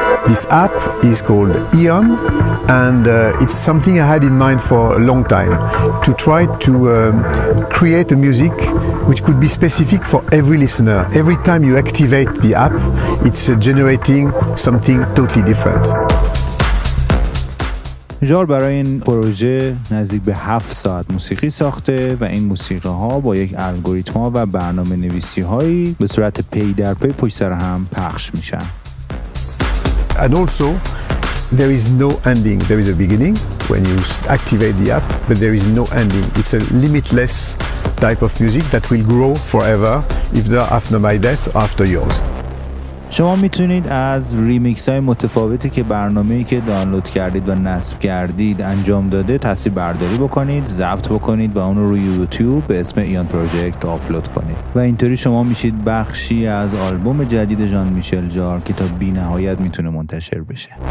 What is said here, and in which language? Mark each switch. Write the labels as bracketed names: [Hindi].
[English] This app is called Ion and it's something I had in mind for a long time, to try to create a music which could be specific for every listener. Every time you activate the app, it's generating something totally different. [Persian] ژار برای این پروژه نزدیک به 7 ساعت موسیقی ساخته و این موسیقی ها با یک الگوریتم ها و برنامه نویسی هایی به صورت پی در پی پشت سر هم پخش میشن. [English] And also, there is no ending. There is a beginning when you activate the app, but there is no ending. It's a limitless type of music that will grow forever, if not after my death, after yours. [Persian] شما میتونید از ریمیکس های متفاوتی که برنامه‌ای که دانلود کردید و نصب کردید انجام داده تصویر برداری بکنید، ضبط بکنید و اون رو روی یوتیوب به اسم ایان پروژکت آپلود کنید و اینطوری شما میشید بخشی از آلبوم جدید ژان میشل ژار که تا بی نهایت میتونه منتشر بشه.